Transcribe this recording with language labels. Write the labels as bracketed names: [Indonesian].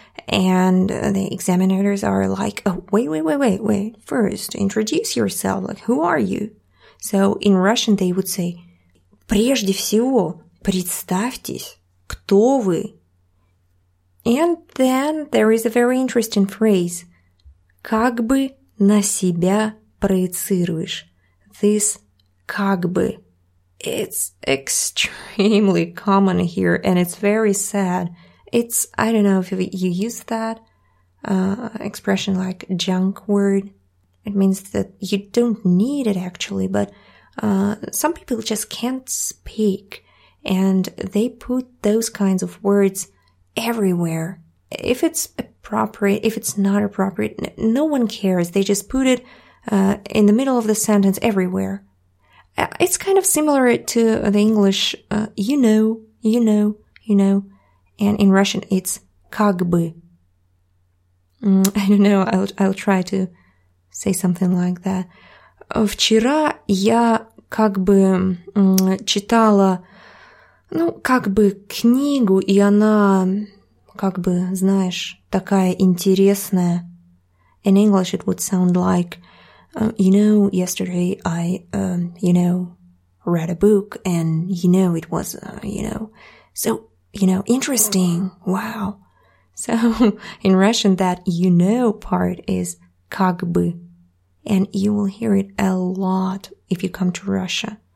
[English] And the examiners are like, oh, wait. First, introduce yourself. Like, who are you? So in Russian, they would say, [Russian] прежде всего, представьтесь, кто вы? [English] And then there is a very interesting phrase. [Russian] Как бы на себя проецируешь? [English] This как бы. It's extremely common here and it's very sad. It's, I don't know if you use that expression like junk word. It means that you don't need it actually, but some people just can't speak and they put those kinds of words everywhere. If it's appropriate, if it's not appropriate, no one cares. They just put it in the middle of the sentence everywhere. It's kind of similar to the English, you know. And in Russian, it's как бы. I don't know, I'll try to say something like that. [Russian] Вчера я как бы читала, ну, как бы книгу, и она, как бы, знаешь, такая интересная. [English] In English, it would sound like, yesterday I read a book, and, you know, it was, interesting, wow. So, in Russian, that you know part is как бы, and you will hear it a lot if you come to Russia.